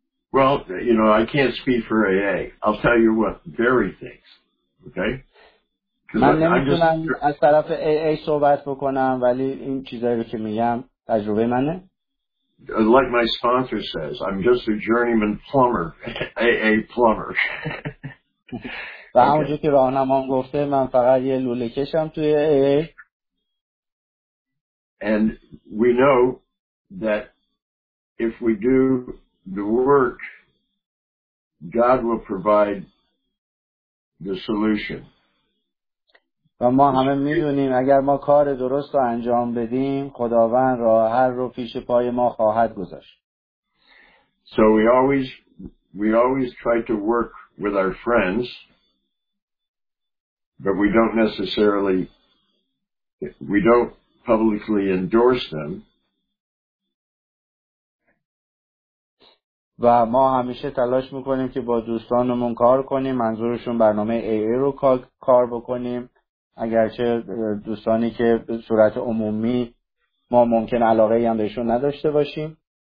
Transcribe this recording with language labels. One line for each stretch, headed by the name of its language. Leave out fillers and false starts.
English: Well, you know, I can't speak for AA. I'll tell you what Barry thinks, okay?
Persian: من نمیتونم از طرف AA صحبت بکنم، ولی این چیزایی رو که میگم تجربه منه.
English: Like my sponsor says, I'm just a journeyman plumber, AA plumber.
Persian: و همونجور که راهنمام گفته، من فقط یه لوله کشم توی AA.
English: And we know that if we do the work, God will provide the solution.
Persian: و ما همه میدونیم اگر ما کار درست رو انجام بدیم، خداوند راه حل رو پیش پای ما خواهد گذاشت.
English: So we always try to work with our friends, but we don't publicly endorse them.
Persian: و ما همیشه تلاش میکنیم که با دوستانمون کار کنیم، منظورشون برنامه AA رو کار بکنیم، اگرچه دوستانی که به صورت عمومی ما ممکن علاقه ای هم بهشون نداشته باشیم.